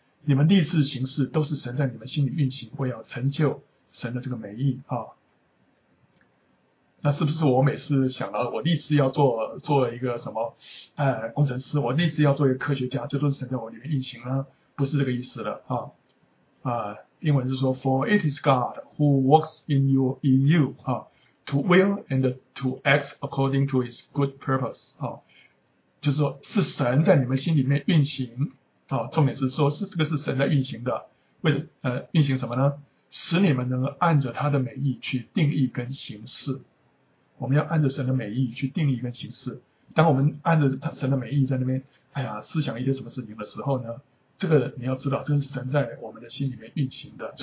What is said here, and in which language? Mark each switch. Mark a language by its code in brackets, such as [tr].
[zh] 你们立志行事都是神在你们心里运行，为要成就神的这个美意啊。那是不是我每次想到我立志要做一个什么工程师，我立志要做一个科学家，这都是神在我里面运行呢？不是这个意思的啊。英文是说 [en] ,For it is God who works in you, 啊 ,to will and to act according to his good purpose, 啊。 [zh] 就是说是神在你们心里面运行。重点是说是这个是神在运行的，为运行什么呢？使你们能按着他的美意去定义跟行事。我们要按着神的美意去定义跟行事。当我们按着神的美意在那边哎呀思想一些什么事情的时候呢，这个你要知道这是神在我们的心里面运行的。